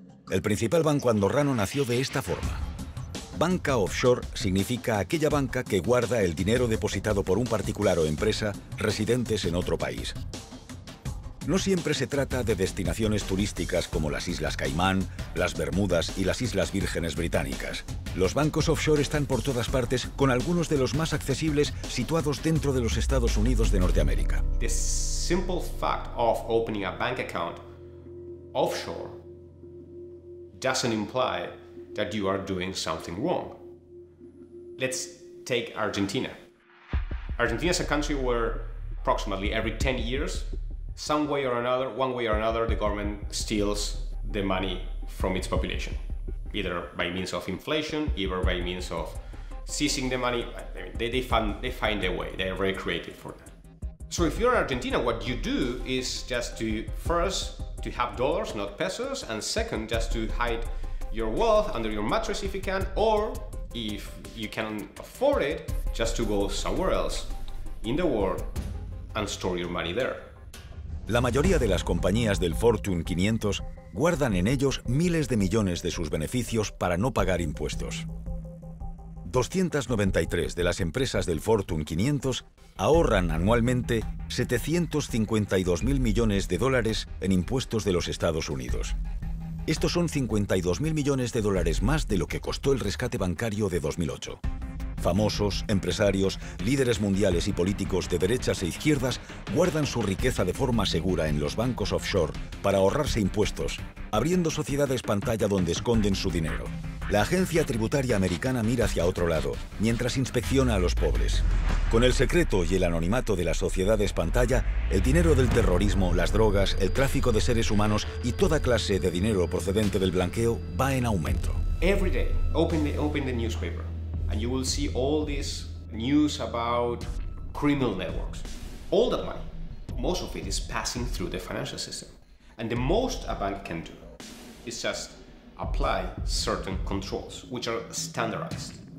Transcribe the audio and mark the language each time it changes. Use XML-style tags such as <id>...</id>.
<es>El principal banco andorrano nació de esta forma. Banca offshore significa aquella banca que guarda el dinero depositado por un particular o empresa residentes en otro país. No siempre se trata de destinaciones turísticas como las Islas Caimán, las Bermudas y las Islas Vírgenes Británicas. Los bancos offshore están por todas partes, con algunos de los más accesibles situados dentro de los Estados Unidos de Norteamérica.</es> <en>The simple fact of opening a bank account offshore doesn't imply that you are doing something wrong. Let's take Argentina. Argentina is a country where approximately every 10 years some way or another, one way or another, the government steals the money from its population, either by means of inflation, either by means of seizing the money. They find a way. They are very creative for that. So if you're in Argentina, what you do is just to, first, to have dollars, not pesos, and second, just to hide your wealth under your mattress if you can, or if you can afford it, just to go somewhere else in the world and store your money there.</en> <es>La mayoría de las compañías del Fortune 500 guardan en ellos miles de millones de sus beneficios para no pagar impuestos. 293 de las empresas del Fortune 500 ahorran anualmente 752.000 millones de dólares en impuestos de los Estados Unidos. Estos son 52.000 millones de dólares más de lo que costó el rescate bancario de 2008. Famosos, empresarios, líderes mundiales y políticos de derechas e izquierdas guardan su riqueza de forma segura en los bancos offshore para ahorrarse impuestos, abriendo sociedades pantalla donde esconden su dinero. La agencia tributaria americana mira hacia otro lado, mientras inspecciona a los pobres. Con el secreto y el anonimato de las sociedades pantalla, el dinero del terrorismo, las drogas, el tráfico de seres humanos y toda clase de dinero procedente del blanqueo va en aumento.</es> <en>Every day, open the newspaper. And you will see all this news about criminal networks. All that money, most of it is passing through the financial system. And the most a bank can do is just apply certain controls, which are standardized.</en>